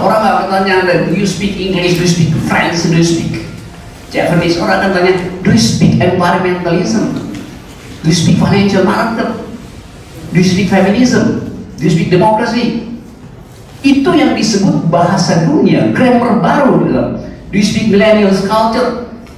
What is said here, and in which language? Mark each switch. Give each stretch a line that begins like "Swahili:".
Indonesian: Orang gak bertanya Anda,
English: do you speak English, do you speak French, do you speak Japanese?
Indonesian: Orang akan tanya,
English: do you speak environmentalism? Do you speak financial market? Do you speak feminism? Do you speak democracy?
Indonesian: Itu yang disebut bahasa dunia, grammar baru dalam.
English: Do you speak millennials culture?